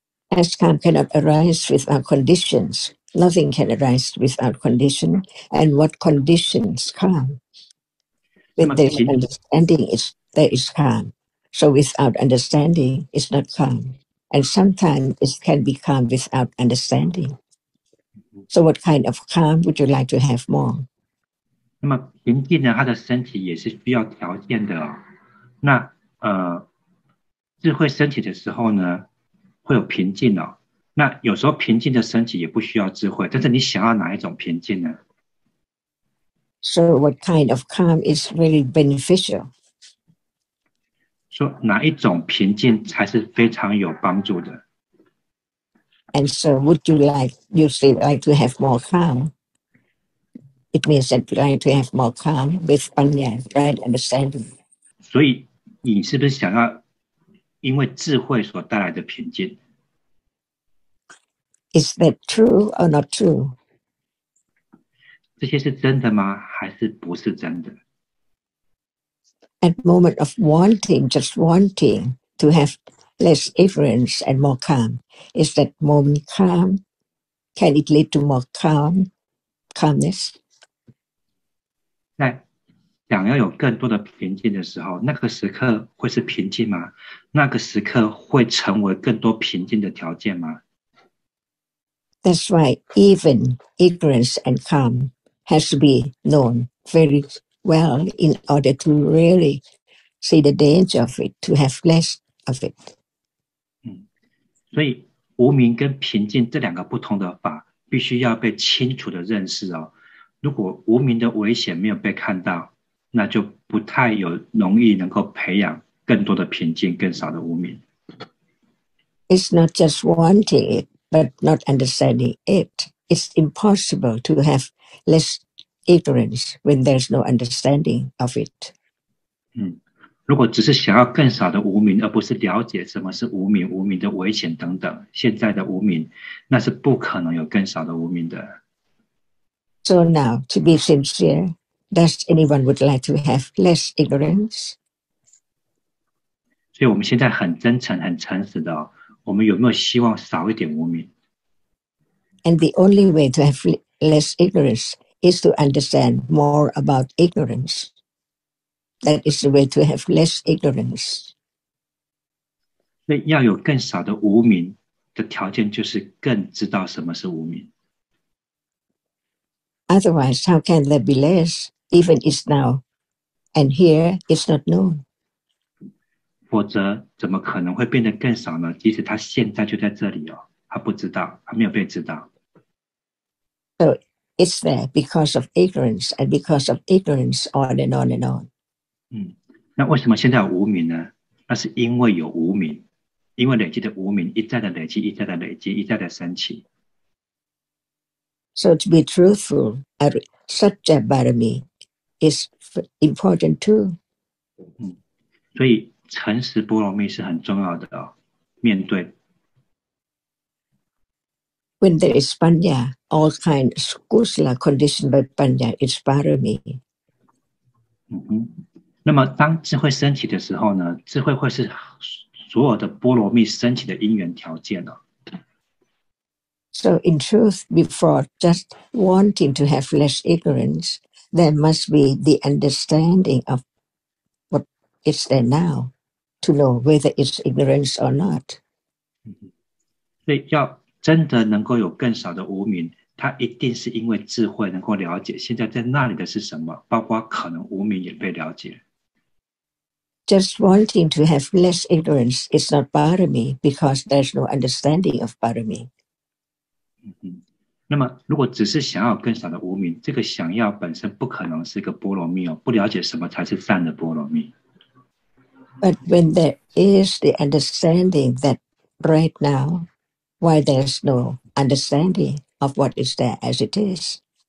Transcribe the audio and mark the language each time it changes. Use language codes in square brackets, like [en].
[en] As calm cannot arise without conditions, nothing can arise without condition, and what conditions calm? When there is understanding, there is calm. So without understanding, it's not calm. And sometimes it can be calm without understanding. So what kind of calm would you like to have more? [zh] 那么平静呢，他的身体也是需要条件的哦。那智慧升起的时候呢，会有平静哦。那有时候平静的身体也不需要智慧，但是你想要哪一种平静呢？ [en] So what kind of calm is really beneficial? [zh] 说哪一种平静才是非常有帮助的？ [en] And so would you like, you say like to have more calm? It means that you like to have more calm with panya, right understanding. [zh] 所以你是不是想要因为智慧所带来的平静？ [en] Is that true or not true? [zh] 这些是真的吗？还是不是真的？ [en] At moment of wanting, just wanting to have less ignorance and more calm, is that moment calm? Can it lead to more calm, calmness? [zh] 在想要有更多的平静的时候，那个时刻会是平静吗？那个时刻会成为更多平静的条件吗？ [en] That's why even ignorance and calm has to be known very well in order to really see the danger of it, to have less of it. [zh] 所以无明跟平静这两个不同的法必须要被清楚的认识哦。如果无明的危险没有被看到，那就不太有容易能够培养更多的平静，更少的无明。 [en] It's not just wanting it. But not understanding it, it's impossible to have less ignorance when there's no understanding of it. [zh] 如果只是想要更少的无明，而不是了解什么是无明、无明的危险等等，现在的无明，那是不可能有更少的无明的。 [en] So now, to be sincere, does anyone would like to have less ignorance? [zh] 所以我们现在很真诚、很诚实的哦。我们有没有希望少一点无明？ [en] And the only way to have less ignorance is to understand more about ignorance. That is the way to have less ignorance. [zh] 所以要有更少的无明的条件就是更知道什么是无明。 [en] Otherwise, how can there be less, even is now, and here is not known? [zh] 否则怎么可能会变得更少呢？即使他现在就在这里哦，他不知道，他没有被知道。 [en] So it's there because of ignorance and because of ignorance on and on and on. [zh] 那为什么现在有无明呢？那是因为有无明，因为累积的无明一再的累积，一再的累积，一再的升起。 [en] So to be truthful, Satya Bharami is important too. [zh] 所以诚实波罗蜜是很重要的哦，面对。 [en] When there is panya, all kinds of kusala conditioned by panya is parami. [zh] 那么当智慧升起的时候呢，智慧会是所有的波罗蜜升起的因缘条件哦。 [en] So in truth, before just wanting to have less ignorance, there must be the understanding of what is there now. To know whether it's ignorance or not. [zh] 所以要真的能够有更少的无明，它一定是因为智慧能够了解现在在那里的是什么，包括可能无明也被了解。 [en] Just wanting to have less ignorance is not parami because there's no understanding of parami. [zh] 那么如果只是想要更少的无明，这个想要本身不可能是一个波罗蜜哦，不了解什么才是善的波罗蜜。 [en] But when there is the understanding that right now, why there's no understanding of what is there as it is.